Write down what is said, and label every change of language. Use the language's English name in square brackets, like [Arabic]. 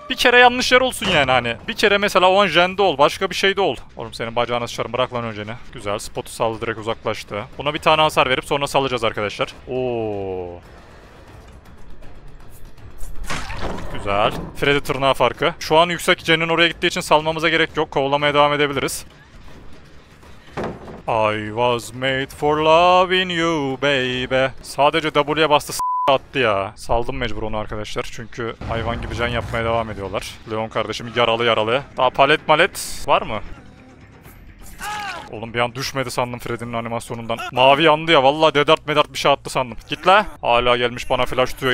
[Turkish] Bir kere yanlış yer olsun yani hani. Bir kere mesela o an jende ol. Başka bir şeyde ol. Oğlum senin bacağını sıçarım. Bırak lan önceni. Güzel. Spotu saldı, direkt uzaklaştı. Buna bir tane hasar verip sonra salacağız arkadaşlar. Oo. Güzel. Freddy tırnağı farkı. Şu an yüksek Jen'in oraya gittiği için salmamıza gerek yok. Kovalamaya devam edebiliriz. [English] I was made for loving you baby. [Turkish] Sadece W'ye bastı, attı ya. Saldım mecbur onu arkadaşlar. Çünkü hayvan gibi can yapmaya devam ediyorlar. Leon kardeşim yaralı yaralı. Daha palet malet var mı? Oğlum bir an düşmedi sandım Freddy'nin animasyonundan. Mavi yandı ya. Vallahi dedart medart bir şey attı sandım. Git la. Hala gelmiş bana flash diyor.